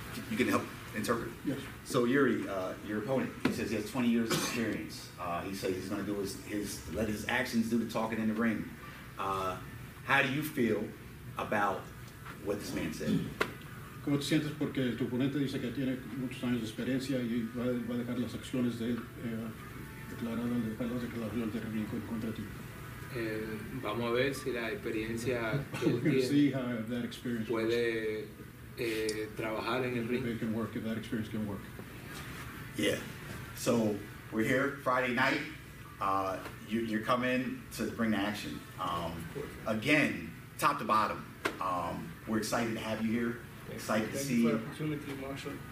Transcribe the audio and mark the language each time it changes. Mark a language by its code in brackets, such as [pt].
[en] You can help interpret. Yes. So Yuri, your opponent, he says he has 20 years of experience. He says he's going to do his let his actions do the talking in the ring. How do you feel about what this man said? [es] ¿Cómo te sientes porque tu oponente dice que tiene muchos años de experiencia y va a dejar las acciones de declarando de las declaraciones de ring contra ti? Vamos a ver si la experiencia puede trabajar en el ring. [en] It can work, if that experience can work. Yeah. So we're here Friday night. You're coming to bring the action. Again, top to bottom. We're excited to have you here. Excited to see you. Opportunity, Marshall.